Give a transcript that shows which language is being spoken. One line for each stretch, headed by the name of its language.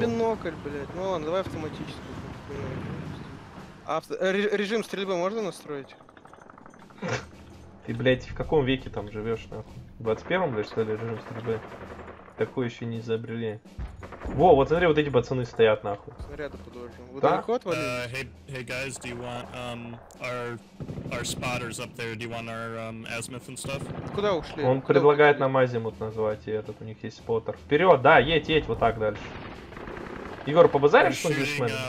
Russian: Мне бинокль, блядь, ну ладно, давай автоматически. Режим стрельбы можно настроить? Ты, блядь, в каком веке там живешь, нахуй? В 21-м, блядь, что ли, режим стрельбы? Такой еще не изобрели. Во, вот смотри, вот эти пацаны стоят, нахуй. Снаряды подложим. Вот далеко отвалили?
English: Hey guys, do you want our spotters up there, do you want our azimuth and stuff?
Russian: Куда ушли? Он куда предлагает нам азимут назвать, и этот, у них есть споттер. Вперед, да, едь, вот так дальше. Егор, побазаришь что-нибудь с мэном?